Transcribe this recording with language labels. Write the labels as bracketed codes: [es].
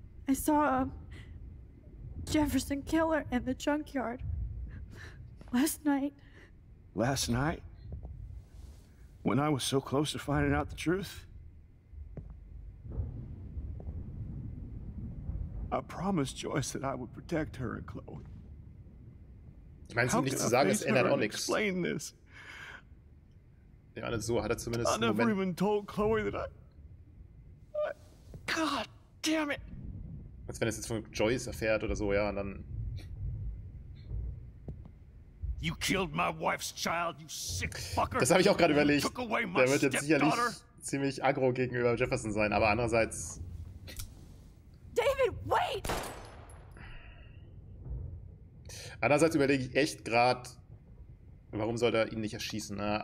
[en] I saw a Jefferson Killer in the junkyard last night. Last night? When I was so close to finding out the truth? I promised Joyce that I would protect her and Chloe. [de] Ich meine, es ihm nicht zu sagen, es ändert auch nichts. [en] Explain this. [de] Ja, so hat er zumindest einen Moment. [en] I never even told Chloe that I... God damn it! [de] Als wenn er es jetzt von Joyce erfährt oder so, ja, und dann... [en] You killed my wife's child, you sick fucker! [de] Das habe ich auch gerade überlegt. Der wird jetzt sicherlich ziemlich aggro gegenüber Jefferson sein, aber andererseits... [en] David, wait! [de] Andererseits überlege ich echt gerade, warum soll er ihn nicht erschießen, ne?